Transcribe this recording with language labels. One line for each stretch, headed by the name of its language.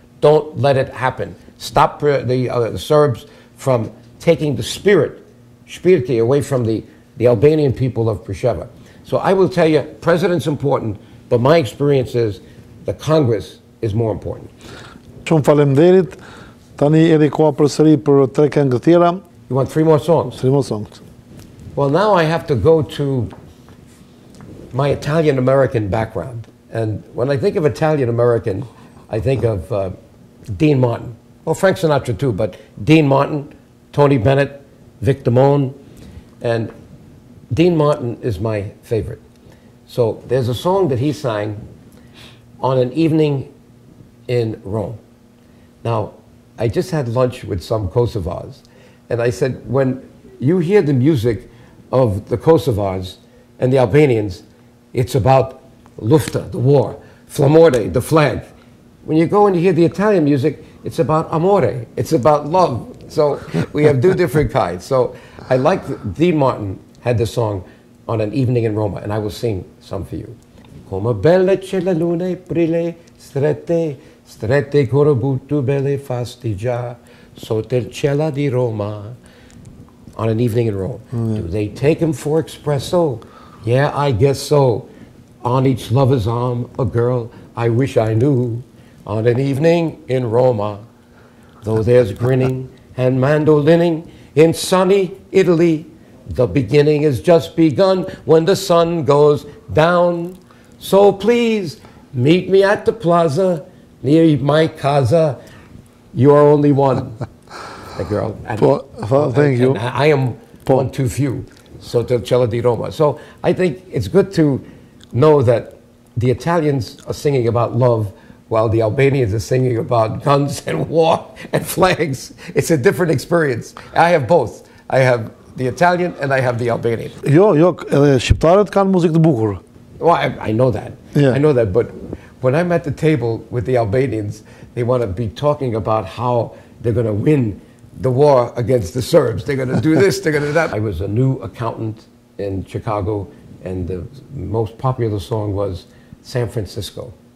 English: Don't let it happen. Stop the Serbs from taking the spirit away from the Albanian people of Preševa. So I will tell you, president's important, but my experience is the Congress is more important.
Albanian: Shumë faleminderit. Tani edhe koha përsëri për tre këngë të tjera.
English: You want three more songs? Three more songs. Well, now I have to go to my Italian-American background. And when I think of Italian-American, I think of Dean Martin. Well, Frank Sinatra too, but Dean Martin, Tony Bennett, Vic Damone, and Dean Martin is my favorite. So there's a song that he sang on an evening in Rome. Now, I just had lunch with some Kosovars, and I said, when you hear the music of the Kosovars and the Albanians, it's about Lufta, the war, Flamorte, the flag. When you go and you hear the Italian music, it's about amore, it's about love. So we have two different kinds. So I like Dean Martin had this song on an evening in Roma, and I will sing some for you.
Italian: Come belle c'è la luna brille strette, strette corobutu belle fastigia, sotto il cielo di Roma.
English: On an evening in Rome. Mm-hmm. Do they take him for espresso? Yeah, I guess so. On each lover's arm, a girl I wish I knew. on an evening in Roma. Though there's grinning and mandolining in sunny Italy, the beginning is just begun when the sun goes down. So please meet me at the plaza near my casa. You are only one. The girl. Thank you. I am one too few. So the Cella di Roma. So I think it's good to know that the Italians are singing about love while the Albanians are singing about guns and war and flags. It's a different experience. I have both. I have the Italian and I have the Albanian.
Albanian: Jo, jo, edhe shqiptarët kanë muzikë të bukur.
English: Well, I know that. Yeah. I know that, but when I'm at the table with the Albanians, they want to be talking about how they're going to win the war against the Serbs. They're going to do this, they're going to do that. I was a new accountant in Chicago, and the most popular song was San Francisco.